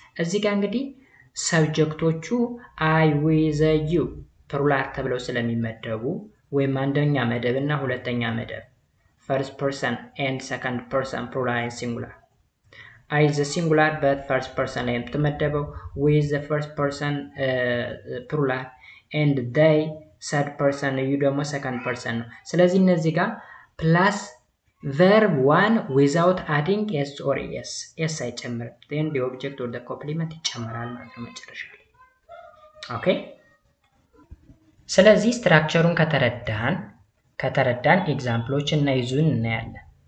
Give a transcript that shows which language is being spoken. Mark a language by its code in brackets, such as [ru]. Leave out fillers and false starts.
[am] እዚህ ጋር እንግዲህ ሰብጀክቶቹ I, we, the, you ፕሩላር ተብለው ስለሚመደቡ ወይም አንደኛ መደብ እና ሁለተኛ መደብ [en] first person and second person plural and singular. I is the singular but first person ላይ የምትመደበው we is the first person plural and they third person you ደግሞ second person ነው. ስለዚህ እነዚህ ጋር plus verb 1 without adding s or es. S አይጨምር. Then the object or the complement [am] ይጨምራል ማለት ነው መጨረሻ ላይ. [en] Okay? [am] ስለዚህ structure-ን ከተረዳን ከተረዳን ኤግዛምፕሎችን እና ይዙን እናያለን.